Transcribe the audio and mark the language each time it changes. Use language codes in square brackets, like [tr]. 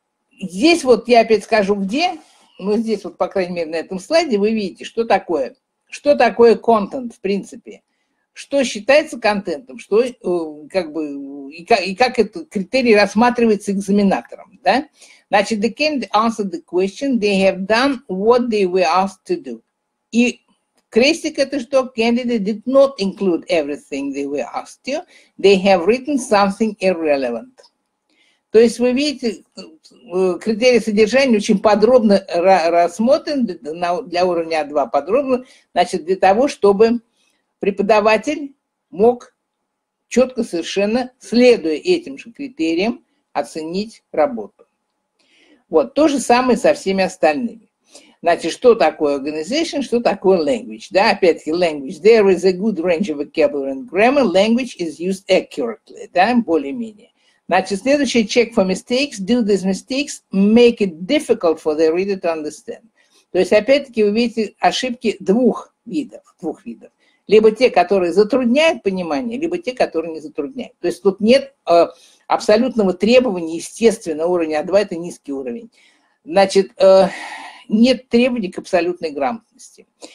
[ru] Здесь вот я опять скажу, где, но здесь вот, по крайней мере, на этом слайде вы видите, что такое контент, в принципе. Что считается контентом, что, как бы, и как этот критерий рассматривается экзаменатором, да? [en] Значит, they can't answer the question, they have done what they were asked to do. [ru] И крестик это что? [en] Candidate did not include everything they were asked to. They have written something irrelevant. [ru] То есть вы видите, критерии содержания очень подробно рассмотрен для уровня А2 подробно, значит, для того, чтобы преподаватель мог четко совершенно, следуя этим же критериям, оценить работу. Вот, то же самое со всеми остальными. Значит, что такое organization, что такое language? Да, опять-таки, language. [en] There is a good range of vocabulary and grammar. Language is used accurately. Да, более-менее. Значит, следующий check for mistakes. Do these mistakes make it difficult for the reader to understand? [ru] То есть, опять-таки, вы видите ошибки двух видов. Либо те, которые затрудняют понимание, либо те, которые не затрудняют. То есть тут нет абсолютного требования, естественно, уровня А2 – это низкий уровень. Значит, нет требований к абсолютной грамотности.